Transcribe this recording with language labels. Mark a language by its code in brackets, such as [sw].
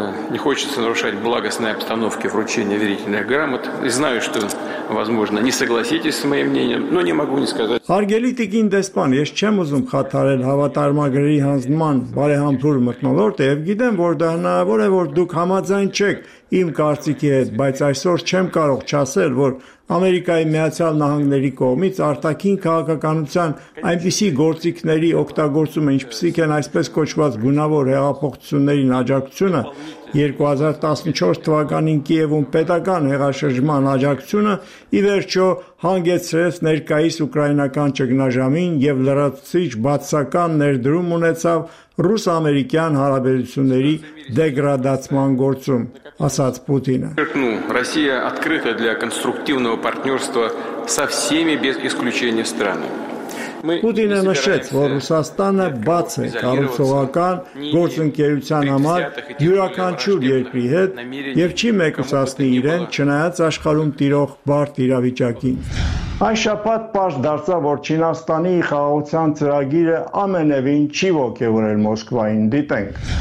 [ru] Не хочется нарушать благостные обстановки вручения верительных грамот. И знаю, что, возможно, не согласитесь с моим мнением, но не могу не сказать. [hy] Հարգելի տիկին դեսպան, ես չեմ ուզում խաթարել հավատարմագրերի հանձնման բարեհամբույր մտնոլորտը, եւ գիտեմ, որ դա հնարավոր է, որ դուք համաձայն չեք իմ կարծիքի հետ, բայց այսօր չեմ կարող չասել, որ Ամերիկայի Միացյալ Նահանգների կողմից արտաքին քաղաքականության այնպիսի գործիքների օգտագործումը, ինչպիսիք են այսպես կոչված գունավոր հեղափոխությունների աջակցությունը, 2014 թվականին Կիևում պետական հեղաշրջման աջակցությունը, ի վերջո հանգեցրեց ներկայիս ուկրաինական ճգնաժամին և լրացուցիչ բացական ներդրում ունեցավ ռուս-ամերիկյան հարաբերությունների դեգրադացման գործում, ասաց Պուտինը։ [ru] Ռուսիա открыта для конструктивного партнёрства со всеми без исключения странами։ [hy] Պուտինը նշեց, որ Ռուսաստանը բաց է կառուցողական գործընկերության համար յուրաքանչյուր երկրի հետ և չի մեկուսացնի իրեն, չնայած աշխարհում տիրող բարդ իրավիճակին։ Այս շաբաթ պարզ դարձավ, որ Չինաստանի խաղաղության ծրագիրը ամենևին չի ոգևորել Մոսկվային։ Դիտենք։